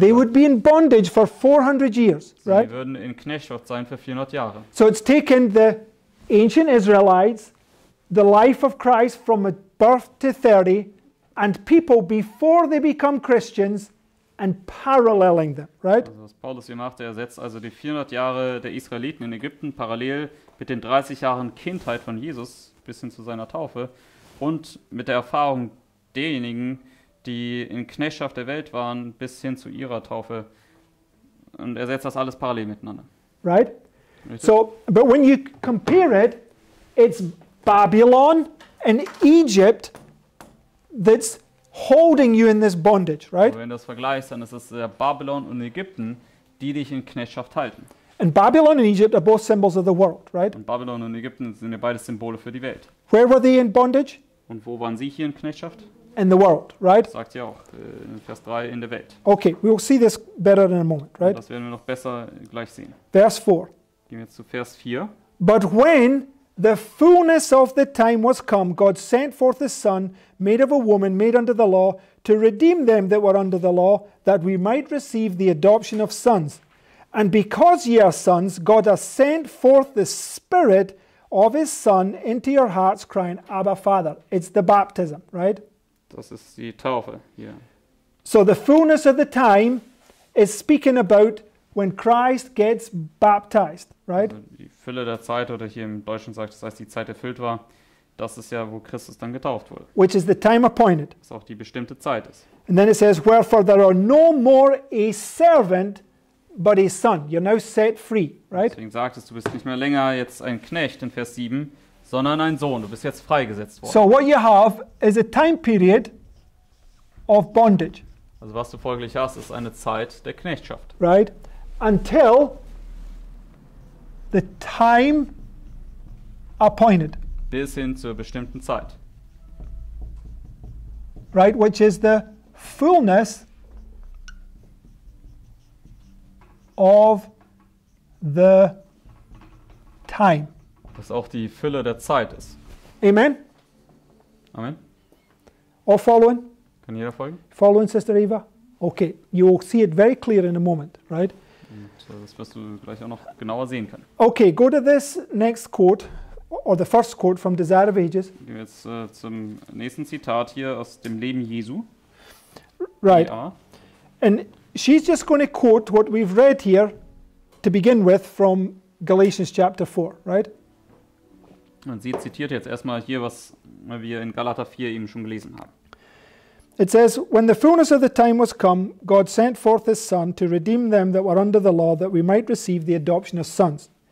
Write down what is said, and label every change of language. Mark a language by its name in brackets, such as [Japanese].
[English] They would be in bondage for 400 years, right? [German] Sie würden in Knechtschaft sein für 400 Jahre. [English] So it's taken the ancient Israelites, the life of Christ from birth to 30, and people before they become Christians, and paralleling them, right? [German] Also was Paulus hier macht, er setzt also die 400 Jahre der Israeliten in Ägypten parallel mit den 30 Jahren Kindheit von Jesus bis hin zu seiner Taufe und mit der Erfahrung derjenigen, die in Knechtschaft der Welt waren, bis hin zu ihrer Taufe. Und er setzt das alles parallel miteinander. [English] Right? So, but when you compare it, it's Babylon and Egypt that's holding you in this bondage, right? [German] Wenn du das vergleichst, dann ist es Babylon und Ägypten, die dich in Knechtschaft halten. [English] And Babylon and Egypt are both symbols of the world, right? [German] Und Babylon und Ägypten sind ja beide Symbole für die Welt. [English] Where were they in bondage? [German] Und wo waren sie hier in Knechtschaft? [English] In the world, right? [German] Das sagt ja auch in Vers 3 in der Welt. [English] Okay, we will see this better in a moment, right? [German] Das werden wir noch besser gleich sehen. [English] Verse 4. [German] Gehen wir jetzt zu Vers 4. [English] But when the fullness of the time was come, God sent forth His Son, made of a woman, made under the law, to redeem them that were under the law, that we might receive the adoption of sons. And because ye are sons, God has sent forth the Spirit of His Son into your hearts, crying, Abba, Father. It's the baptism, right? [German] Das ist die Taufe, yeah. [English] So the fullness of the time is speaking about when Christ gets baptized, right? [German] Also die Fülle der Zeit, oder hier im Deutschen sagt, das heißt, die Zeit erfüllt war, das ist ja, wo Christus dann getauft wurde. [English] Which is the time appointed. [German] Was auch die bestimmte Zeit ist. [English] And then it says, wherefore there are no more a servant, but a son. You're now set free, right? [German] Deswegen sagt es, du bist nicht mehr länger jetzt ein Knecht in Vers 7, sondern ein Sohn. Du bist jetzt freigesetzt worden. [English] So what you have is a time period of bondage. [German] Also was du folglich hast, ist eine Zeit der Knechtschaft. [English] Right? Until the time appointed. [German] Bis hin zur bestimmten Zeit. [English] Right, which is the fullness of the time. [German] Was auch die Fülle der Zeit ist. [English] Amen. [German] Amen. [English] All following? [German] Kann jeder folgen? [English] Following, Sister Eva? Okay, you will see it very clear in a moment, right? [German] Das wirst du gleich auch noch genauer sehen können. [English] Okay, go to this next quote, or the first quote from Desire of Ages. [German] Gehen wir jetzt zum nächsten Zitat hier aus dem Leben Jesu. [English] Right. Ja. And she's just going to quote what we've read here to begin with from Galatians chapter 4, right? [German] Und sie zitiert jetzt erstmal hier, was wir in Galater 4 eben schon gelesen haben. [English] It says, when the fullness of the time was come, God sent forth His Son to redeem them that were under the law, that we might receive the adoption of sons.